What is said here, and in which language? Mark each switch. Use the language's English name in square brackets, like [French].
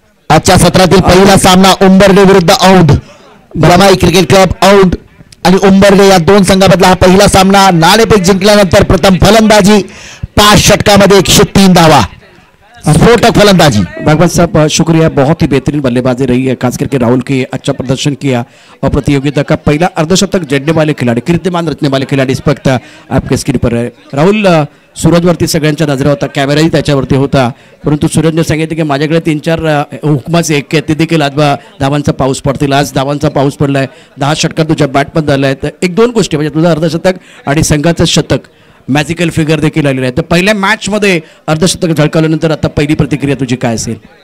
[Marathi] आजच्या सत्रातील पहिला सामना उंबर्डे विरुद्ध औंध, ब्रमाई क्रिकेट क्लब औंध आणि उंबर्डे या दोन संघामधला हा पहिला सामना। नाणेफेक जिंकल्यानंतर प्रथम फलंदाजी, 5 षटकामध्ये 103 धावा, स्फोटक फलंदाजी। [Hindi] भगवंत साहब शुक्रिया, बहुत ही बेहतरीन बल्लेबाजी रही है, खास करके राहुल की अच्छा प्रदर्शन किया और प्रतियोगिता का पहला अर्धशतक जड़ने वाले खिलाड़ी, कीर्तिमान रचने वाले खिलाड़ी इस वक्त आपके स्क्रीन पर है। [Marathi] राहुल सूरज वरती सगळ्यांच्या नजरा होता, कैमेरा ही त्याच्यावरती होता, परंतु सूरज ने सांगितले की माझ्याकडे 3-4 हुकमाचे एक आहे, ते देखील आज धावांचा पाऊस पडतील, आज धावांचा पाऊस पडलाय, 10 षटकात तुझ्या बॅटमध्ये आलाय, तर एक दोन गोष्टी म्हणजे तुझं अर्धशतक आणि संघाचं शतक मॅजिकल फिगर देखील आलेलं आहे, तर पहिल्या मॅचमध्ये अर्धशतक झळकावल्यानंतर आता पहिली प्रतिक्रिया तुझी काय असेल?